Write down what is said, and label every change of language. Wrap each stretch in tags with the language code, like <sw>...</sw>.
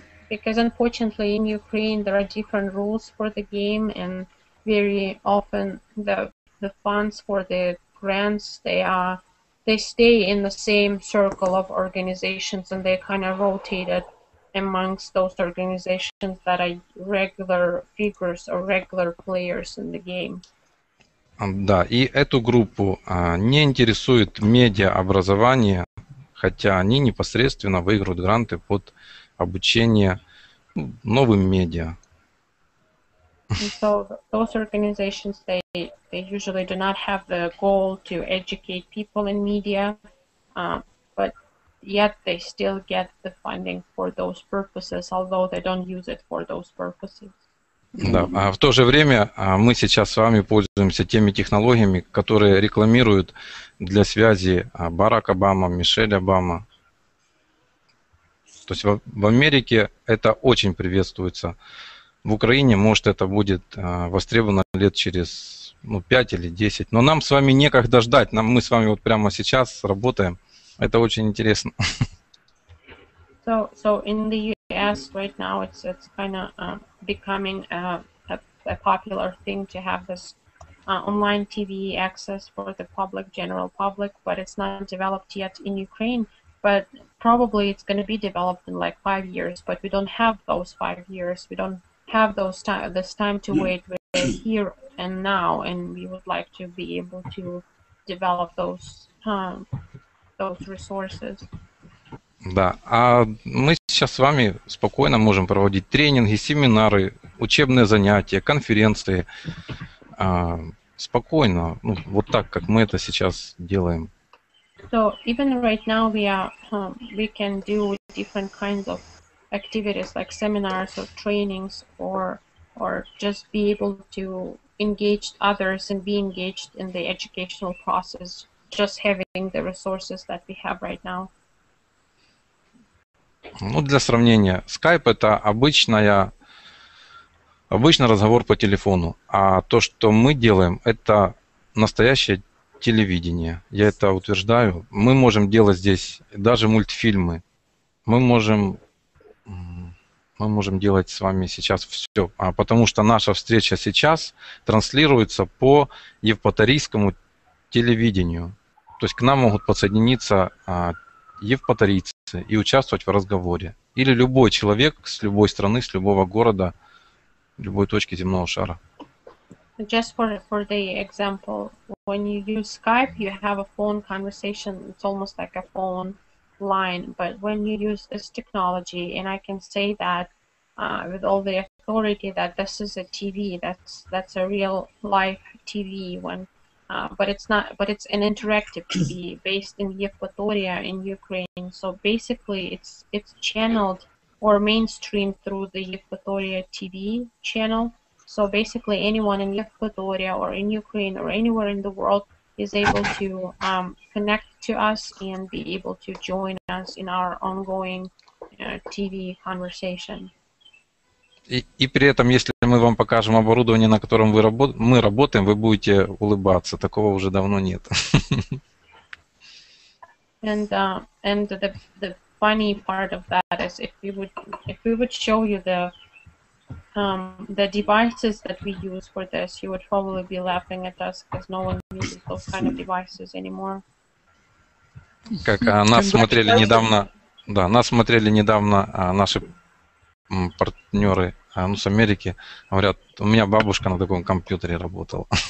<en>Because unfortunately in Ukraine there are different rules for the game, and very often the funds for the grants they stay in the same circle of organizations, and they kind of rotated amongst those organizations that are regular figures or regular players in the game.</en> <ru>Да, и эту группу не интересует медиа-образование, хотя они непосредственно выиграют гранты под обучение новым медиа.</ru> <en>And so those organizations, they usually do not have the goal to educate people in media, but yet they still get the funding for those purposes, although they don't use it for those purposes.</en> <ru>Да, а в то же время мы сейчас с вами пользуемся теми технологиями, которые рекламируют для связи Барак Обама, Мишель Обама. То есть в Америке это очень приветствуется. В Украине, может, это будет востребовано лет через 5 или 10. Но нам с вами некогда ждать. Мы с вами вот прямо сейчас работаем. Это очень интересно.</ru> <en>So in the US right now it's kind of becoming a popular thing to have this online TV access for the public, general public, but it's not developed yet in Ukraine. But probably it's going to be developed in like 5 years, but we don't have those 5 years. We don't have those this time to wait. We're here and now, and we would like to be able to develop those resources.</en> <ru>Да, а мы сейчас с вами спокойно можем проводить тренинги, семинары, учебные занятия, конференции. Спокойно, ну, вот так, как мы это сейчас делаем.</ru> <en>So even right now we can do different kinds of activities like seminars or trainings or just be able to engage others and be engaged in the educational process, just having the resources that we have right now.</en> <ru>Ну, для сравнения, Skype — это обычная обычно разговор по телефону, а то, что мы делаем, это настоящее телевидение. Я это утверждаю. Мы можем делать здесь даже мультфильмы. Мы можем делать с вами сейчас все, потому что наша встреча сейчас транслируется по евпаторийскому телевидению. То есть к нам могут подсоединиться евпаторийцы и участвовать в разговоре. Или любой человек с любой страны, с любого города, любой точки земного шара.</ru> <en>Just for the example, when you use Skype, you have a phone conversation. It's almost like a phone line. But when you use this technology, and I can say that with all the authority that this is a TV, that's a real life TV. But it's an interactive TV based in Yevpatoria in Ukraine. So basically, it's channeled or mainstream through the Yevpatoria TV channel. So basically, anyone in Yevpatoria or in Ukraine or anywhere in the world is able to connect to us and be able to join us in our ongoing TV conversation.</en> <ru>И при этом, если мы вам покажем оборудование, на котором мы работаем, вы будете улыбаться. Такого уже давно нет.</ru> <en>And the funny part of that is if we would show you the devices that we use for this, you would probably be laughing at us because no one uses those kind of devices anymore.</en> <ru>Как нас смотрели недавно, да, нас смотрели недавно наши партнеры с Америки, говорят, у меня бабушка на таком компьютере работала.</ru>